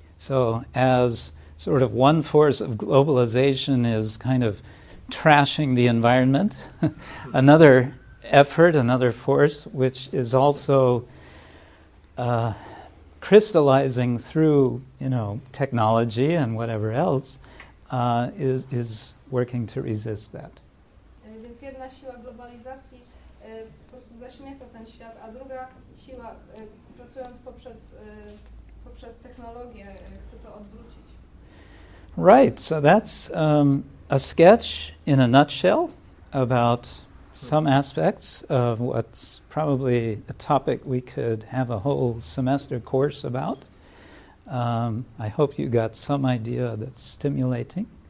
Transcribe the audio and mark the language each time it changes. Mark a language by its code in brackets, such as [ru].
[en] So as sort of one force of globalization is kind of trashing the environment, another effort, another force, which is also crystallizing through, you know, technology and whatever else, is working to resist that. [pl] Więc jedna siła globalizacji po prostu zaśmieca ten świat, a druga siła, pracując poprzez technologię, chce to odwrócić. [en] Right, so that's a sketch in a nutshell about some aspects of what's probably a topic we could have a whole semester course about. I hope you got some idea that's stimulating.